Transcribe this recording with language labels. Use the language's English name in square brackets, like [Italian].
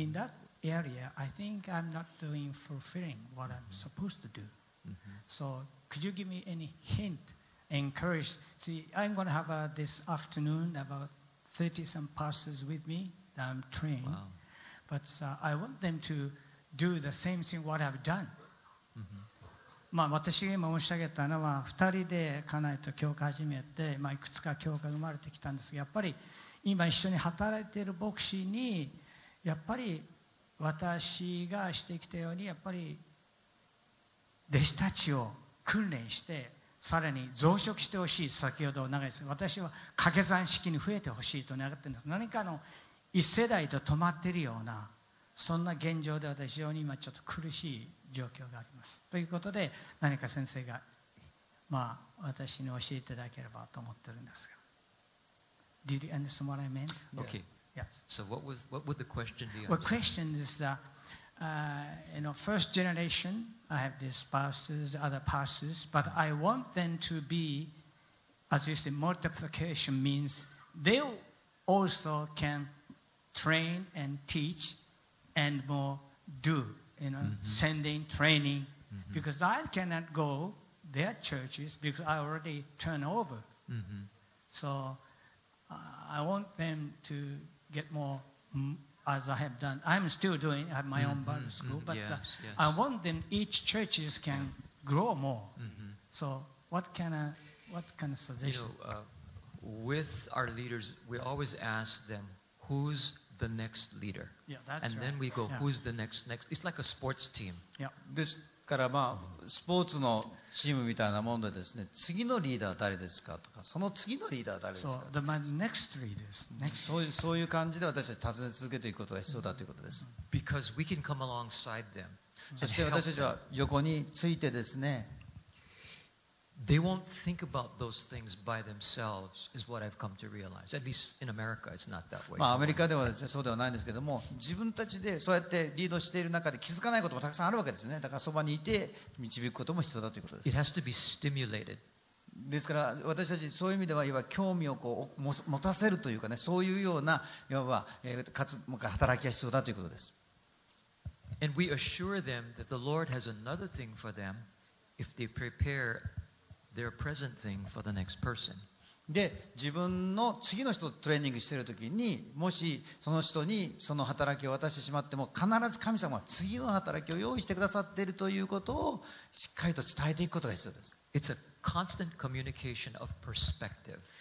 [English] In that area, I think I'm not doing fulfilling what I'm supposed to do. So could you give me any hint, encourage? See, I'm going to have this afternoon about 30-some pastors with me that I'm training. Wow. But I want them to do the same thing what I've done. [Japanese] まあ、私が今申し上げたのは2人で家内と教会始めて、まあ、いくつか教会が生まれてきたんですが、やっぱり今一緒に働いている牧師にやっぱり私がしてきたようにやっぱり弟子たちを訓練してさらに増殖してほしい。先ほど長井さん、私は掛け算式に増えてほしいと願っているんです。何かの一世代と止まっているようなそんな現状で私は非常に今ちょっと苦しい状況があります。ということで何か先生が、まあ、私に教えていただければと思ってるんですが。 [English] Did you understand what I meant? Okay. Yes. So what would the question be? Well, question is you know, first generation I have these pastors, other pastors, but I want them to be, as you say, multiplication means they also can train and teach and more do, you know, sending, training, because I cannot go their churches because I already turn over. So I want them to get more, as I have done. I'm still doing, I have my own Bible school, but I want them, each churches can grow more. So what kind of suggestion? You know, with our leaders, we always ask them, who's the next leader? Yeah, then we go, who's the next? It's like a sports team. Yeah. [Japanese] ですから、まあ、スポーツのチームみたいなもんでですね、次のリーダーは誰ですかとか、その次のリーダーは誰ですか。 [English] So, the next leaders, next. [Japanese] そういう感じで私たち尋ね続けていくことが必要だということです。 [English] Because we can come alongside them. [Japanese] そして私たちは横についてですね、 [English] They won't think about those things by themselves, is what I've come to realize. At least in America, it's not that way. [Japanese] まあ、アメリカではそうではないんですけども、自分たちでそうやってリードしている中で気づかないこともたくさんあるわけですね。だからそばにいて導くことも必要だということです。 [English] It has to be stimulated. [Japanese] ですから私たちそういう意味ではいわば興味をこう持たせるというかね、そういうようないわば働きが必要だということです。 [English] And we assure them that the Lord has another thing for them if they prepare. Their present thing for the next person. [Japanese] で、自分の次の人とトレーニングしているときに、もしその人にその働きを渡してしまっても、必ず神様は次の働きを用意してくださっているということをしっかりと伝えていくことが必要です。 [English] It's a constant communication of perspective.